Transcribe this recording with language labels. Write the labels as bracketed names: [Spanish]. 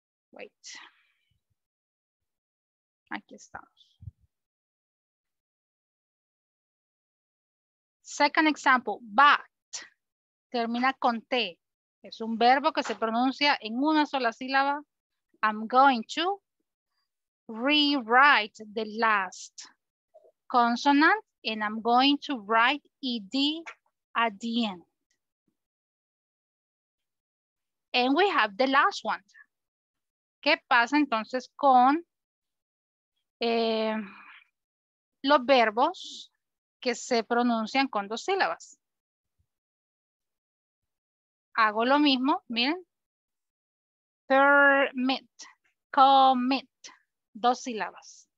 [English] Wait. [Spanish] Aquí estamos. [English] Second example, but. [Spanish] Termina con T. Es un verbo que se pronuncia en una sola sílaba. [English] I'm going to rewrite the last consonant and I'm going to write ed at the end. And we have the last one. [Spanish] ¿Qué pasa entonces con los verbos que se pronuncian con dos sílabas? Hago lo mismo, miren. Permit, commit, dos sílabas.